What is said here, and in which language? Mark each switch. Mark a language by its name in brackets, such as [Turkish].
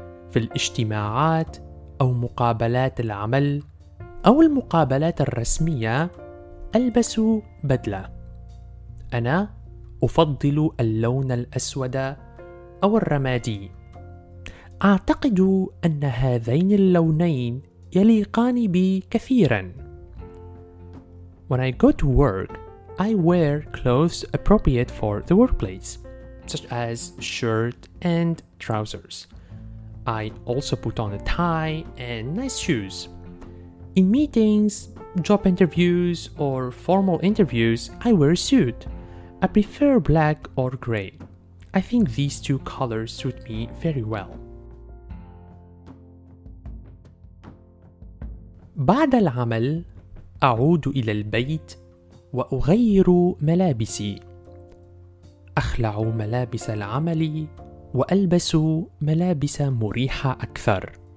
[Arabic] في الاجتماعات أو مقابلات العمل أو المقابلات الرسمية ألبس بدلة. أنا أفضل اللون الأسود أو الرمادي. أعتقد أن هذين اللونين يليقان بي كثيرا. [English] When I go to work, I wear clothes appropriate for the workplace, such as shirt and trousers. I also put on a tie and nice shoes. In meetings, job interviews, or formal interviews, I wear a suit. I prefer black or gray. I think these two colors suit me very well. [Arabic] بعد العمل أعود إلى البيت وأغير ملابسي. أخلع ملابس العمل وألبس ملابس مريحة أكثر.